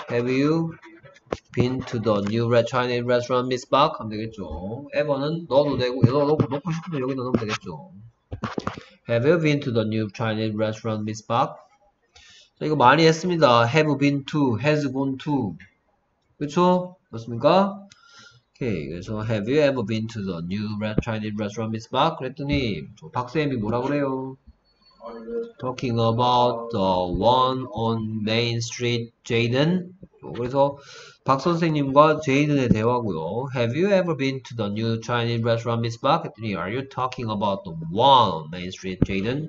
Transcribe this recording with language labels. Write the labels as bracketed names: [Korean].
[English] Have you been to the new Chinese restaurant, Miss Park? [Korean] 하면 되겠죠. Ever는 넣어도 되고, 이거 넣고 싶으면 여기 넣으면 되겠죠. [English] Have you been to the new Chinese restaurant, Miss Park? [Korean] 이거 많이 했습니다. [English] Have been to, has gone to. [Korean] 그쵸? 맞습니까? 오케이, 그래서 [English] Have you ever been to the new Chinese restaurant, Miss Park? [Korean] 그랬더니 박쌤이 뭐라 그래요? [English] Talking about the one on Main Street, Jaden. [Korean] 그래서 박 선생님과 제이든의 대화고요. [English] Have you ever been to the new Chinese restaurant, Miss Park? [Korean] 그랬더니 [English] Are you talking about the one on Main Street, Jaden?